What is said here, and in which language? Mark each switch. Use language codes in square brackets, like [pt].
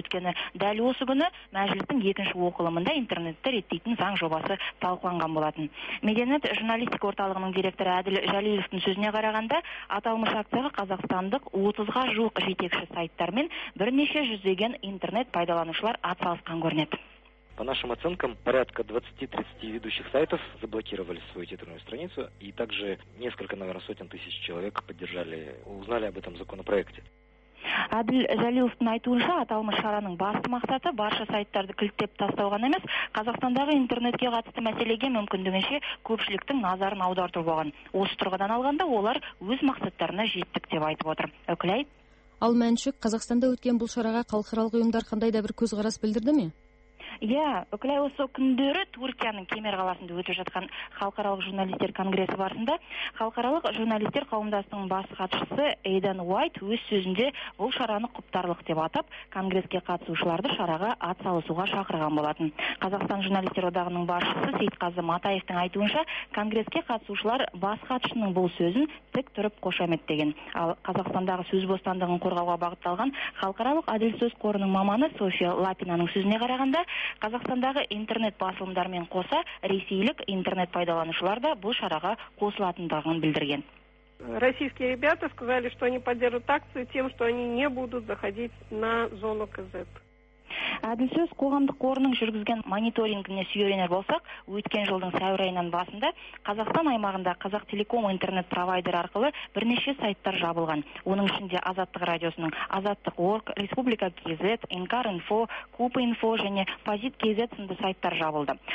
[kk] Өткені дәл осы күні мәжілістің екінші оқылымында интернетті реттейтін заң жобасы талқыланған болатын. Медианет журналистика орталығының директоры Әділ Жәлеловтың сөзіне қарағанда, аталмыш акцияға қазақстандық 30-ға жуық жетекші сайттар мен бірнеше жүздеген интернет пайдаланушылар атсалысқан көрінеді. [ru] По нашим оценкам, порядка 20-30 ведущих сайтов заблокировали свою титульную страницу, и также несколько, наверное, сотен тысяч человек поддержали, узнали об этом законопроекте. [kk] Әділ Жәлеловтың айтуынша, аталмыш шараның басты мақсаты барша сайттарды кілттеп тастау ғана емес, Қазақстандағы интернетке қатысты мәселеге мүмкіндігінше көпшіліктің назарын аударту болған. Осы тұрғыдан алғанда олар өз мақсаттарына жеттік деп айтып отыр. Үкілай. Ал Мәншік, Қазақстанда өткен бұл шараға халықаралық ұйымдар қандай да бір көзқарас білдірді ме? Өкілай осы күндері Түркияның Кемер қаласында өтіп жатқан халықаралық журналистер конгресі барысында халықаралық журналистер қауымдастығының бас хатшысы Эйдан Уайт өз сөзінде бұл шараны құптарлық деп атап, конгреске қатысушыларды шараға атсалысуға шақырған болатын. Қазақстан журналистер одағының басшысы Сейтқазы Матаевтың айтуынша, конгреске қатысушылар бас хатшының бұл сөзін тік тұрып қошаметтеген. Ал Қазақстандағы сөз бостандығын қорғауға бағытталған халықаралық әділ сөз қорының маманы София Лапинаның сөзіне қарағанда, Қазақстандағы интернет басылымдармен қоса ресейлік интернет пайдаланушылар да бұл шараға қосылатындығын білдірген. [ru] Российские ребята сказали, что они поддержат акцию тем, что они не будут заходить на зону КЗ. [kk] Әділ сөз қоғамдық қорының жүргізген мониторингіне сүйенер болсақ, өткен жылдың сәуір айынан басында Қазақстан аймағында Қазақтелеком интернет провайдер арқылы бірнеше сайттар жабылған. Оның ішінде Азаттық радиосының Азаттық.орг, Республика КЗ, Инкар.инфо, Куп.инфо және Позит.кз сынды сайттар жабылды.